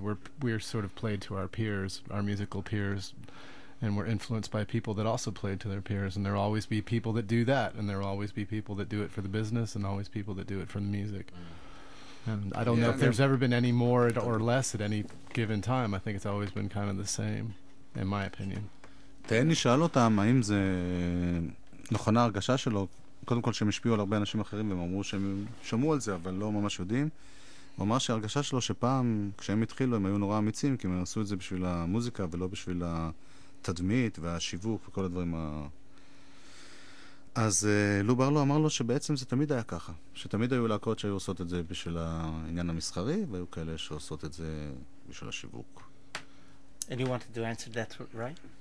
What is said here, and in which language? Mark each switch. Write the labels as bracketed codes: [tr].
[en] We're sort of played to our peers, our musical peers, and we're influenced by people that also played to their peers, and there'll always be people that do that, and there'll always be people that do it for the business, and always people that do it for the music. And I don't know if there's ever been any more or less at any given time. I think it's always been kind of the same, in my opinion. [he] תן לי שאל אותם, האם זה נכונה הרגשה שלו, קודם כל שהם השפיעו על הרבה אנשים אחרים, והם אמרו שהם שמעו על זה, אבל לא ממש יודעים. הוא אמר שהרגשה שלו שפעם, כשהם התחילו, הם היו נורא אמיצים, כי הם עשו את זה בשביל המוזיקה, ולא בשביל התדמית והשיווק וכל הדברים ה... אז לו ברלו אמר לו שבעצם זה תמיד היה ככה, שתמיד היו להקות שהיו עושות את זה בשביל העניין המסחרי, והיו כאלה שעושות את זה בשביל השיווק. [en] And you wanted to answer that, right?